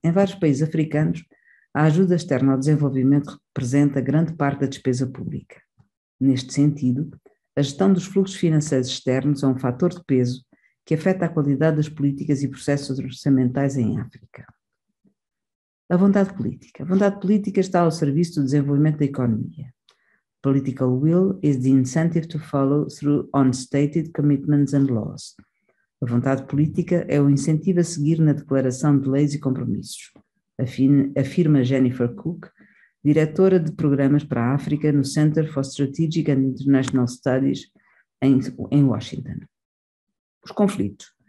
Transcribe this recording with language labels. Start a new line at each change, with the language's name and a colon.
Portuguese: Em vários países africanos, a ajuda externa ao desenvolvimento representa grande parte da despesa pública. Neste sentido, a gestão dos fluxos financeiros externos é um fator de peso que afeta a qualidade das políticas e processos orçamentais em África. A vontade política. A vontade política está ao serviço do desenvolvimento da economia.
English: Political will is the incentive to follow through on stated commitments and laws.
Portuguese: A vontade política é o incentivo a seguir na declaração de leis e compromissos, afirma Jennifer Cook, diretora de programas para a África no Center for Strategic and International Studies em Washington. Os conflitos.